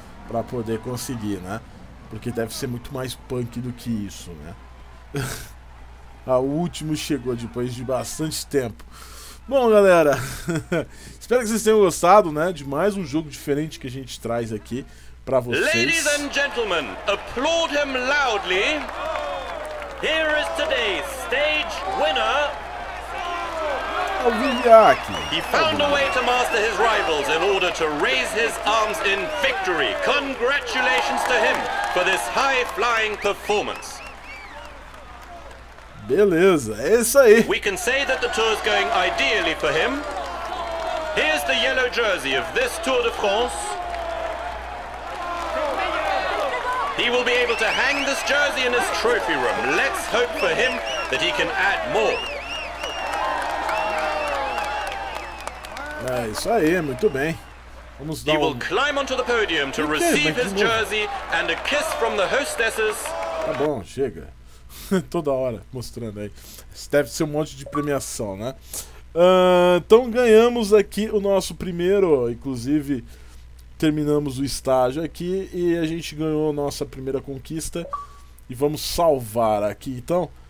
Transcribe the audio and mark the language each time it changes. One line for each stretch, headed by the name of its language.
Portuguese: Pra poder conseguir, né? Porque deve ser muito mais punk do que isso, né? A última chegou depois de bastante tempo. Bom, galera, espero que vocês tenham gostado, né, de mais um jogo diferente que a gente traz aqui para vocês.
English: Ladies and gentlemen, applaud him loudly. Here is today's stage winner. Alviniak. He found a way to master his rivals in order to raise his arms in victory. Congratulations to him for this high flying performance.
Portuguese: Beleza, é isso aí.
English: We can say that the tour is going ideally for him. Here's the yellow jersey of this Tour de France. He will be able to hang this jersey in his trophy room. Let's hope for him that he can add more.
Portuguese: É isso aí, muito bem. Vamos dar
English: He will climb onto the podium to receive his jersey and a kiss from the hostesses.
Portuguese: Tá bom, chega. Toda hora mostrando aí. Isso deve ser um monte de premiação, né? Então ganhamos aqui o nosso primeiro. Inclusive, terminamos o estágio aqui e a gente ganhou a nossa primeira conquista. E vamos salvar aqui, então.